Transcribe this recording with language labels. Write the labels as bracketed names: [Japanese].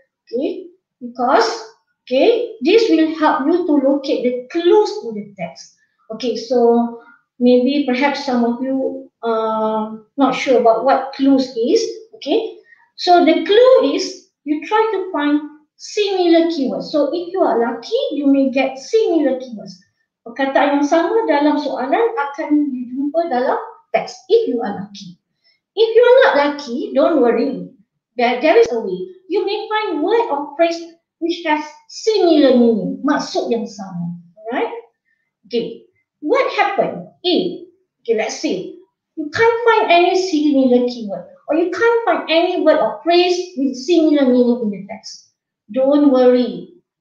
[English] Okay, because okay, this will help you to locate the clues in the text. Okay, so maybe perhaps some of you not sure about what clues is. Okay, so the clue is you try to find similar keywords. So if you are lucky, you may get similar keywords. [Malay] Perkataan yang sama dalam soalan akan dijumpa dalam teks. [English] If you are lucky. If you are not lucky, don't worry. There is a way. You may find word or phrase which has similar meaning. [Malay] Maksud yang sama. [English] Alright? Okay. What happened? Okay, let's see. You can't find any similar keyword. Or you can't find any word or phrase with similar meaning in the text. Don't worry.